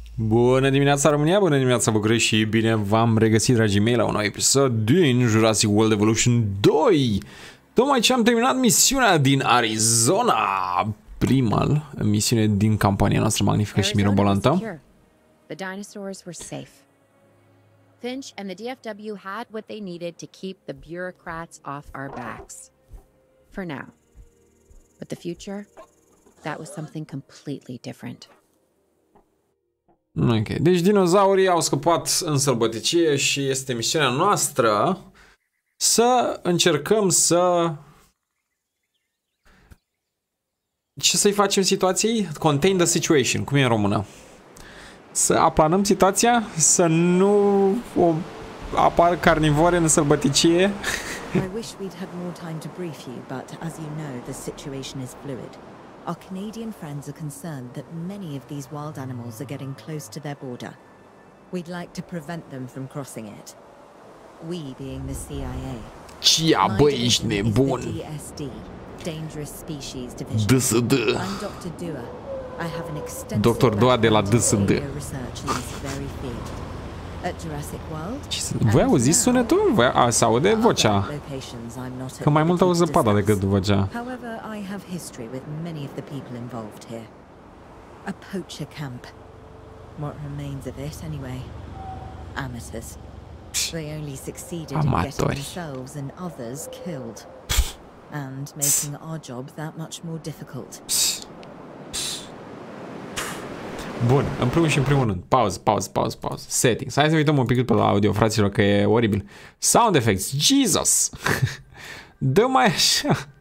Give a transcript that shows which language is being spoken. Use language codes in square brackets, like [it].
[ro] Bună dimineața, România, bună dimineața, București și bine v-am regăsit, dragii mei, la un nou episod din Jurassic World Evolution 2. Tocmai ce am terminat misiunea din Arizona, prima misiune din campania noastră magnifică și mirobolantă. [en] The dinosaurs were safe. Finch and the DFW had what they needed to keep the bureaucrats off our backs. For now. But the future, that was something completely different. [ro] Ok, deci dinozaurii au scăpat în sărbăticie și este misiunea noastră să încercăm să... Ce să-i facem situației? [en] Contain the situation, [ro] cum e în română? Să aplanăm situația? Să nu o apar carnivore în sărbăticie? [en] I wish we'd had more time to brief you, but as you know, the situation is fluid. Our Canadian friends are concerned that many of these wild animals are getting close to their border. We'd like to prevent them from crossing it. We being the CIA. [ro] Cia, bă, ești nebun. [en] DSD, Dangerous Species Division. DSD. I'm Dr. Dua. I have an extensive [ro] Dr. Dua de la DSD. [en] Research in this very field. At Jurassic World. [ro] Voi auzi sunetul? Voi aude vocea? Că mai mult auzi zăpada decât vocea. [en] However, I have history with many of the people involved here. A poacher camp. What remains of it anyway? Amateurs. They only succeeded in getting themselves and others killed. And making our job that much more difficult. [ro] Bun, în primul și în primul rând, pauză, settings, hai să uităm un pic pe la audio, fraților, că e oribil. [en] Sound effects, Jesus! [ro] Dă mai așa!